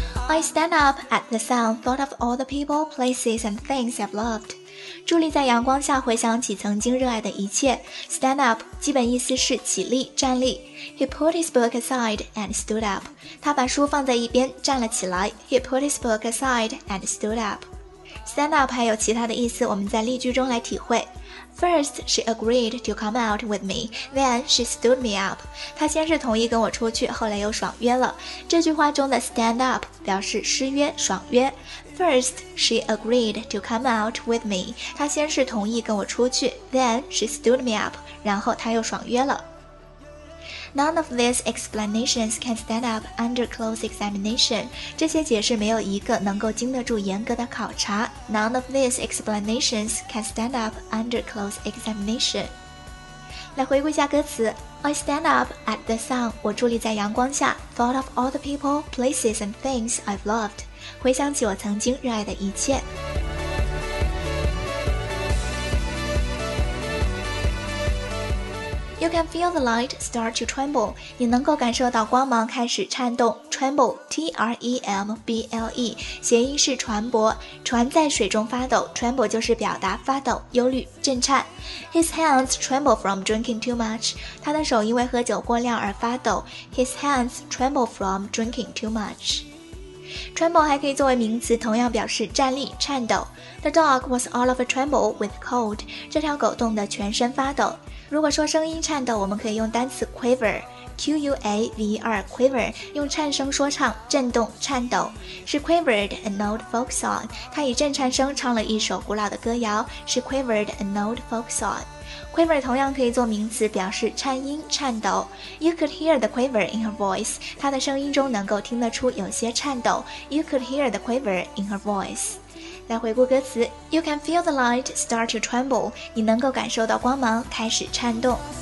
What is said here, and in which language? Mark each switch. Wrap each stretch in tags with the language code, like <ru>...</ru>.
<en>I stand up at the sound, thought of all the people, places, and things I've loved.</en> <zh>伫立在阳光下，回想起曾经热爱的一切。 Stand up, 基本意思是起立、站立。</zh> <en>He put his book aside and stood up.</en> <zh>他把书放在一边，站了起来。</zh> <en>He put his book aside and stood up.</en> <zh>Stand up 还有其他的意思，我们在例句中来体会。</zh> <en>First, she agreed to come out with me. Then, she stood me up.</en> <zh>她先是同意跟我出去，后来又爽约了。这句话中的 stand up 表示失约、爽约。</zh> <en>First, she agreed to come out with me.</en> <zh>她先是同意跟我出去。</zh> <en>Then, she stood me up.</en> <zh>然后她又爽约了。</zh> <en>None of these explanations can stand up under close examination.</en> <zh>这些解释没有一个能够经得住严格的考察。</zh> <en>None of these explanations can stand up under close examination.</en> <zh>来回顾一下歌词。</zh> <en>I stand up at the sun,</en> <zh>我伫立在阳光下。</zh> <en>Thought of all the people, places and things I've loved.</en> <zh>回想起我曾经热爱的一切。</zh> <en>You can feel the light start to tremble.</en> <zh>你能够感受到光芒开始颤动。 Tremble, T-R-E-M-B-L-E, 谐音是船舶，船在水中发抖。 Tremble 就是表达发抖、忧虑、震颤。</zh> <en>His hands tremble from drinking too much.</en> <zh>他的手因为喝酒过量而发抖。</zh> <en>His hands tremble from drinking too much.</en> <zh>Tremble 还可以作为名词，同样表示站立、颤抖。</zh> <en>The dog was all of a tremble with cold.</en> <zh>这条狗冻得全身发抖。如果说声音颤抖，我们可以用单词 quaver, Q-U-A-V-E-R, quaver, 用颤声说唱，震动、颤抖。</zh> <en>She quavered an old folk song.</en> <zh>她以震颤声唱了一首古老的歌谣。</zh> <en>She quavered an old folk song.</en> <zh>Quaver 同样可以做名词，表示颤音、颤抖。</zh> <en>You could hear the quaver in her voice.</en> <zh>她的声音中能够听得出有些颤抖。</zh> <en>You could hear the quaver in her voice.</en> <zh>来回顾歌词。</zh> <en>You can feel the light start to tremble.</en> <zh>你能够感受到光芒开始颤动。</zh>